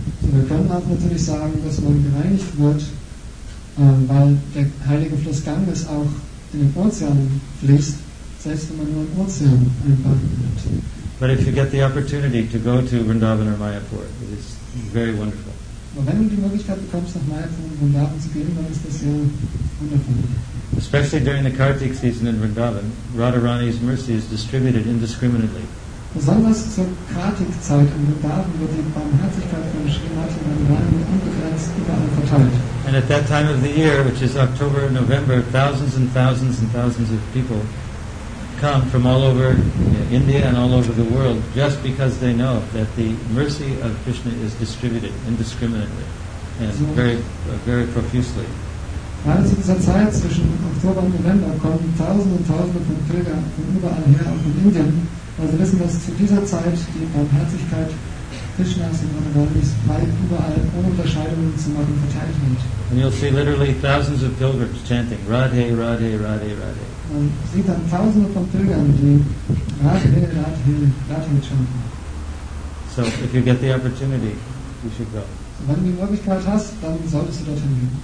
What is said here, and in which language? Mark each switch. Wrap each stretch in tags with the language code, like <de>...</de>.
<de>So wir können auch natürlich sagen, dass man gereinigt wird, weil der heilige Fluss Ganges auch in den Ozean fließt, selbst wenn man nur im Ozean einbaden wird.</de> <en>But if you get the opportunity to go to Vrindavan or Mayapur, it is very wonderful.</en> <de>Aber wenn du die Möglichkeit bekommst, nach Mayapur und Vrindavan zu gehen, dann ist das sehr wundervoll.</de> <en>Especially during the Kartik season in Vrindavan, Radharani's mercy is distributed indiscriminately.</en> <de>Besonders zur Kartik-Zeit in Vrindavan wird die Barmherzigkeit von Srimati Radharani unbegrenzt überall verteilt.</de> <en>And at that time of the year, which is October and November, thousands and thousands and thousands of people come from all over India and all over the world just because they know that the mercy of Krishna is distributed indiscriminately and very, very profusely.</en> <de>Gerade zu dieser Zeit zwischen Oktober und November kommen Tausende und Tausende von Pilgern von überall her, auch in Indien, weil sie wissen, dass zu dieser Zeit die Barmherzigkeit Krishnas und Radharanis weit überall ohne Unterscheidungen zu machen verteilt wird.</de> <en>And you'll see literally thousands of pilgrims chanting Radhe, Radhe, Radhe, Radhe.</en> <de>Man sieht dann Tausende von Pilgern, die Radhe, Radhe, Radhe chanten.</de> <en>So, if you get the opportunity, you should go.</en> <de>Wenn du die Möglichkeit hast, dann solltest du dorthin gehen.</de>